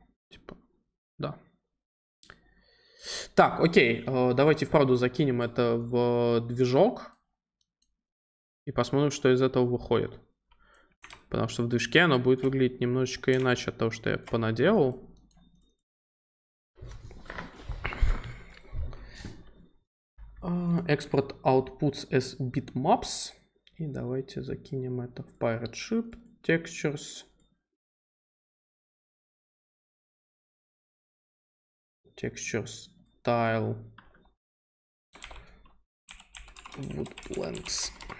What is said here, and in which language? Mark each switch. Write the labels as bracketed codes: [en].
[ru] Типа, да. Так, окей. Давайте, вправду, закинем это в движок. И посмотрим, что из этого выходит. Потому что в движке оно будет выглядеть немножечко иначе от того, что я понаделал. [en] Export outputs as bitmaps. [ru] И давайте закинем это в Pirate Ship. [en] Textures. Textures. Tile. Wood blanks.